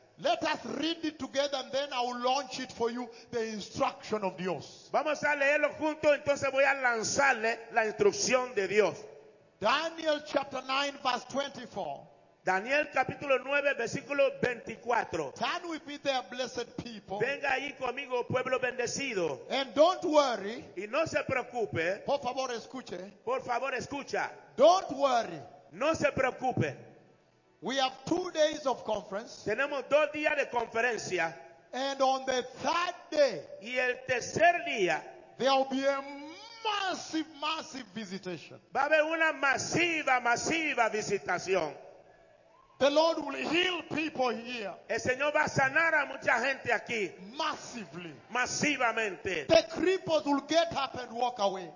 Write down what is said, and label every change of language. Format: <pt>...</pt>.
<en>Let us read it together and then I will launch it for you, the instruction of Dios.</en> <es>Vamos a leerlo juntos, entonces voy a lanzarle la instrucción de Dios.</es> <en>Daniel chapter 9 verse 24.</en> <es>Daniel capítulo 9 versículo 24.</es> <en>Turn with me there, blessed people.</en> <es>Venga ahí conmigo, pueblo bendecido.</es> <en>And don't worry.</en> <es>Y no se preocupe. Por favor, escuche. Por favor, escucha.</es> <en>Don't worry.</en> <es>No se preocupe.</es> <en>We have 2 days of conference.</en> <es>Tenemos 2 días de conferencia.</es> <en>And on the third day.</en> <es>Y el tercer día.</es> <en>There will be a massive, massive visitation.</en> <es>Va a haber una masiva, masiva visitación.</es> <en>The Lord will heal people here.</en> <es>El Señor va a sanar a mucha gente aquí.</es> <en>Massively.</en> <es>Masivamente.</es> <en>The cripples will get up and walk away.</en>